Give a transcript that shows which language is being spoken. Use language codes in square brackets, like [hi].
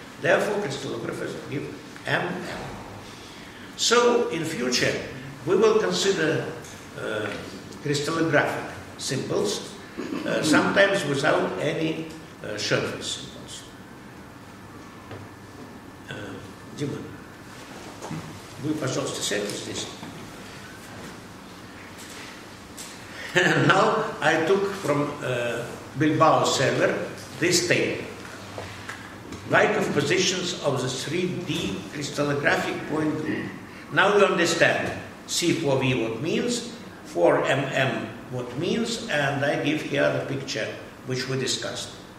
[en] Therefore, crystallographers give M, M. So, in future, we will consider crystallographic symbols, sometimes without any surface symbols. [ru] Дима, вы, пожалуйста, сядьте здесь. [en] Now I took from Bilbao server this table. Like of positions of the 3D crystallographic point group. Now you understand C4V what means, 4mm what means, and I give here the picture which we discussed.